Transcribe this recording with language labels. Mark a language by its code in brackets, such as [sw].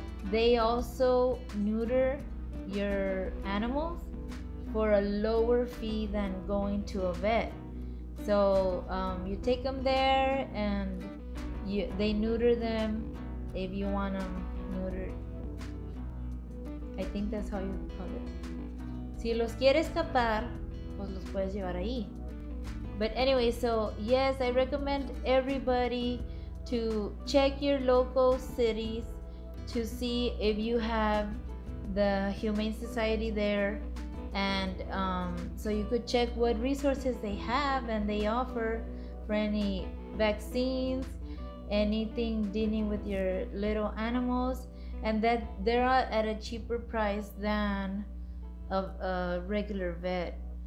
[en] They also neuter your animals for a lower fee than going to a vet. So you take them there and they neuter them if you want them neutered. I think that's how you call it. [es] Si los quieres escapar, pues los puedes llevar ahí. [en] But anyway, so yes, I recommend everybody to check your local cities to see if you have the Humane Society there. And so you could check what resources they have and they offer for any vaccines, anything dealing with your little animals, and that they're at a cheaper price than of a regular vet.